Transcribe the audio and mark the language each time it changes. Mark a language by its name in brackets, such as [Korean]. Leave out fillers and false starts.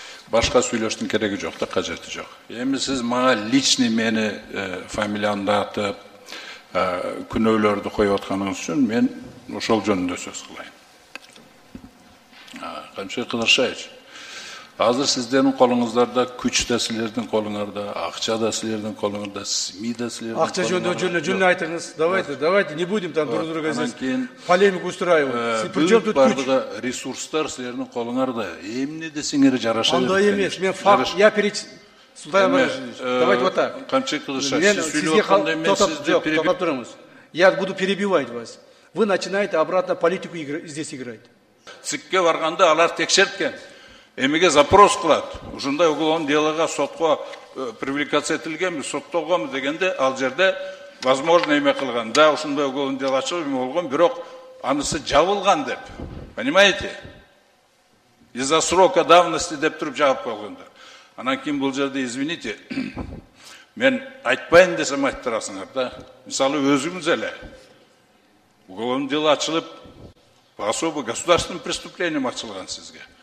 [Kyrgyz] Башка сүйлөштүн кереги жок да, кажети жок. Эми сиз мага личный мени фамилиямды атып күнөөлөрдү коюп атканыңыз үчүн мен ошол жөнүндө сөз кылайын. Камчыбек Кыдыршаевич, азыр сиздердин колуңуздарда күч да, силердин колуңарда акча да, силердин колуңарда СМИ да, силердин акча жөнүндө жөн эле айтыңыз. [Russian] Давайте не будем там друг друга здесь полемику устраивать. [Kyrgyz] Бүт бардыгы ресурстар силердин колуңарда. Эмне десеңер жараша берет. Андай эмес, мен факт. [Russian] Я перед Султаном давайте вот так. [Kyrgyz] Камчыбек Кылышевич, сиз сүйлөгөндө мен сизди [Russian] перебивать турамыз. Я буду перебивать вас. Вы начинаете обратно политику здесь играть. [Kyrgyz] ЦИКке барганда алар текшерткен. Эмиге запрос кылат. Ушундай уголовный делога сотко привлекация этилгенби, соттолгонбу дегенде ал жерде возможно эме кылган. Да, ушундай уголовный дело ачылып эме болгон, бирок анысы жабылган деп. [Russian] Понимаете? Из-за срока давности [Kyrgyz] деп туруп жабып койгондор. Анан кийин бул жерде извините, мен айтпайын десем айттырасыңар да. Мисалы өзүңүз эле уголовный дело ачылып, [Russian] по особо государственным преступлениям [Kyrgyz] ачылган сизге.